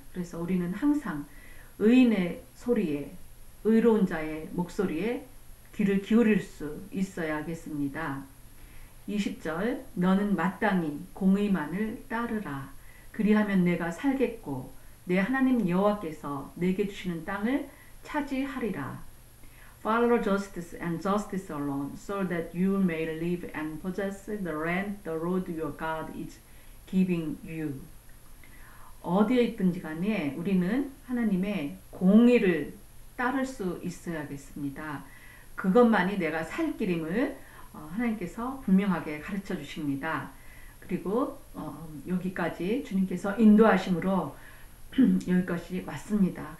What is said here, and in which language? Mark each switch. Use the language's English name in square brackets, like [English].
[Korean] 그래서 우리는 항상 의인의 소리에, 의로운 자의 목소리에 귀를 기울일 수 있어야겠습니다. 20절, 너는 마땅히 공의만을 따르라. 그리하면 내가 살겠고 내 하나님 여호와께서 내게 주시는 땅을 차지하리라. [English] Follow justice and justice alone, so that you may live and possess the land the Lord your God is giving you. [Korean] 어디에 있든지 간에 우리는 하나님의 공의를 따를 수 있어야겠습니다. 그것만이 내가 살 길임을 하나님께서 분명하게 가르쳐 주십니다. 그리고 여기까지 주님께서 인도하심으로 여기까지 맞습니다.